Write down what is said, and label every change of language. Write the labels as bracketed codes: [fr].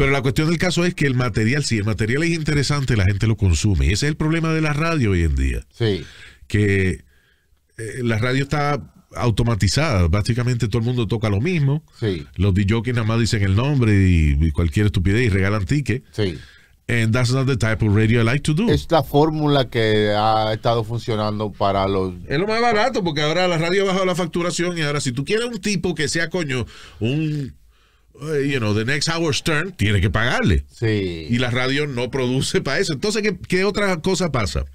[es] Pero la cuestión del caso es que el material es interesante, la gente lo consume. Y ese es el problema de la radio hoy en día. Sí. Que la radio está automatizada. Básicamente todo el mundo toca lo mismo. Sí. Los DJs nada más dicen el nombre y cualquier estupidez y regalan tickets. Sí. [en] And that's not the type of radio I like to do. [es] Es la fórmula que ha estado funcionando para los. Es lo más barato, porque ahora la radio ha bajado la facturación. Y ahora, si tú quieres un tipo que sea, coño, [en] the next Howard Stern, [es] tiene que pagarle. Sí. Y la radio no produce para eso. Entonces, ¿qué otra cosa pasa?